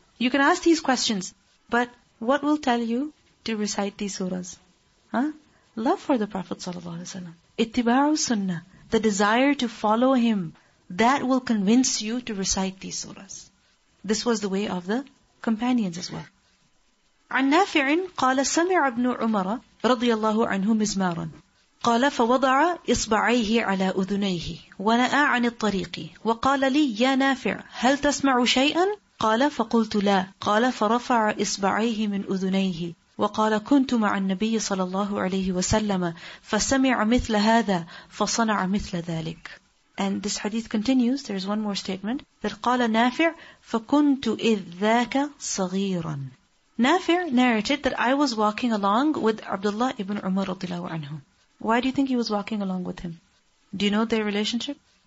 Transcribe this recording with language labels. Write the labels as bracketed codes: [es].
[en] You can ask these questions. But what will tell you to recite these surahs? Huh? Love for the Prophet sallallahu alaihi wasallam. Ittiba'u sunnah. The desire to follow him. That will convince you to recite these surahs. This was the way of the companions as well. [ar] عن نافع قال سمع ابن عمر رضي الله عنه مزمارا قال فوضع إصبعيه على أذنيه ونأى عن الطريق وقال لي يا نافع هل تسمع شيئا قال فقلت لا قال فرفع إصبعيه من أذنيه وقال كنت مع النبي صلى الله عليه وسلم فسمع مثل هذا فصنع مثل ذلك. [en] And this hadith continues, there is one more statement, that [ar] قال نافع فكنت إذ ذاك صغيرا. [en] نافع narrated that I was walking along with Abdullah ibn Umar radiallahu anhu. Why do you think he was walking along with him? Do you know their relationship?